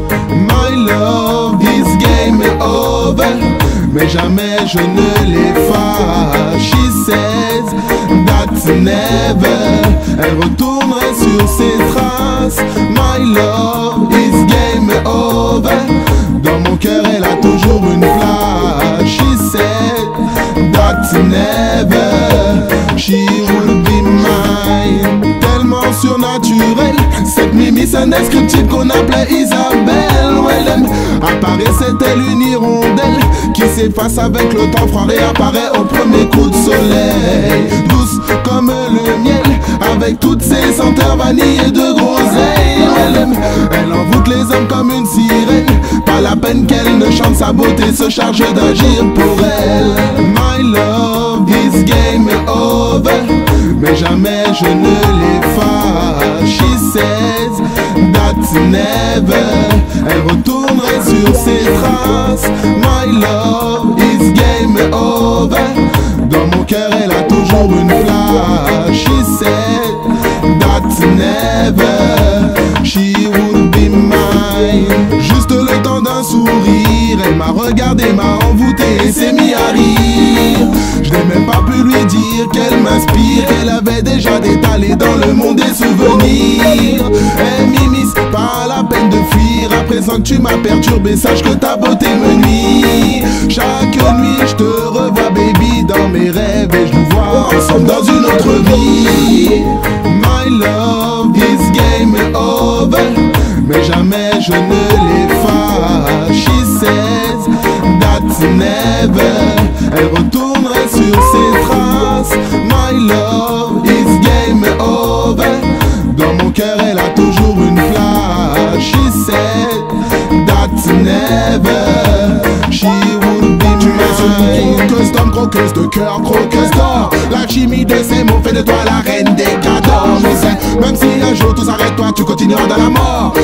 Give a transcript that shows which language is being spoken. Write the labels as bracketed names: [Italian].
[English] My love, this game is over. [French] Mais jamais je ne l'efface. [English] She says that's never. [French] Elle retournerait sur ses traces. [English] My love, this game is over. [French] Dans mon cœur, elle a toujours une place. [English] She said that's never. She will be mine. [French] Tellement surnaturel. Cette mimis indescriptible qu'on appelait Isabelle. Well, elle apparaissait telle une hirondelle. Qui s'efface avec le temps froid et apparaît au premier coup de soleil. Douce comme le miel, avec toutes ses senteurs vanillées de groseille. Well, elle envoûte les hommes comme une sirène. Pas la peine qu'elle ne chante, sa beauté se charge d'agir pour elle. [English] My love, this game is over. [French] Mais jamais je ne l'efface. [English] She says that's never. [French] Elle retournerait sur ses traces. [English] My love, this game is over. [French] Dans mon cœur, elle a toujours une place. [English] She said that's never. She would be mine. [French] Juste le temps d'un sourire. Elle m'a regardé, m'a envoûté et s'est mis à rire. Je n'ai même pas pu lui dire qu'elle m'inspire. Elle avait déjà détalé dans le monde des souvenirs. Hey, Mimi, c'est pas la peine de fuir. À présent que tu m'as perturbé, sache que ta beauté me nuit. Chaque nuit, je te revois, baby, dans mes rêves. Et je nous vois ensemble dans une autre vie. [English] My love, this game is over. [French] Mais jamais je ne l'efface. [English] She says that's never. [French] Elle retournerait sur ses traces. [English] My love, this game is over. [French] Dans mon cœur, elle a toujours une place. [English] She said that's never. She would be mine. [French] Tu es une croqueuse d'homme, croqueuse de cœur, croqueuse d'or. La chimie de ces mots fait de toi la reine des cadors. Je sais, même si un jour tout s'arrête, toi tu continueras dans la mort.